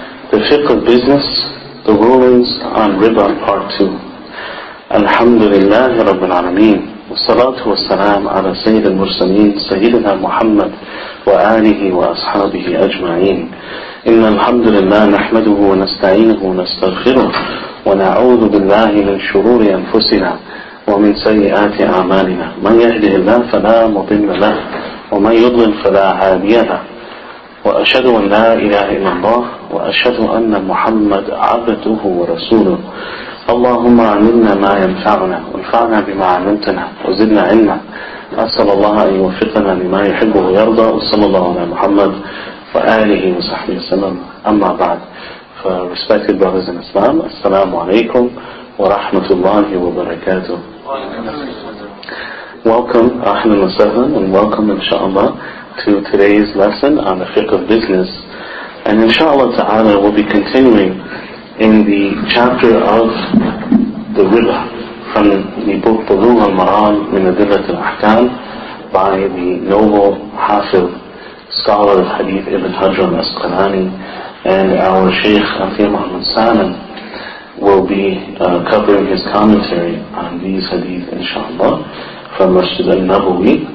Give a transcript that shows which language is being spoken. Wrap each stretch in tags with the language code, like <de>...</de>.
<en>The Fiqh of Business, The Rulings on Riba Part 2.</en> <ar>الحمد لله رب العالمين والصلاة والسلام على سيد المرسلين سيدنا محمد وآله وأصحابه أجمعين. إن الحمد لله نحمده ونستعينه ونستغفره ونعوذ بالله من شرور أنفسنا ومن سيئات أعمالنا. من يهده الله فلا مضل له ومن يضلل فلا هادي له. وأشهد أن لا إله إلا الله وأشهد أن محمد عبده ورسوله. اللهم علمنا ما ينفعنا وانفعنا بما علمتنا وزدنا علما. أسأل الله أن يوفقنا لما يحبه ويرضى وصلى الله على محمد وآله وصحبه وسلم. أما بعد,</ar> <en>respected brothers in Islam,</en> <ar>السلام عليكم ورحمة الله وبركاته.</ar> <en>Welcome,</en> <ar>أهلا وسهلا,</ar> <en>and welcome inshaAllah to today's lesson on the fiqh of business. And inshaAllah ta'ala we'll be continuing in the chapter of the riba from the book Bulugh al-Maram min Adillat al-Ahkam by the noble Hafiz scholar of Hadith Ibn Hajar al-Asqalani, and our Shaykh Afiyah Muhammad Salim will be covering his commentary on these hadith inshaAllah from Masjid al-Nabawi.</en>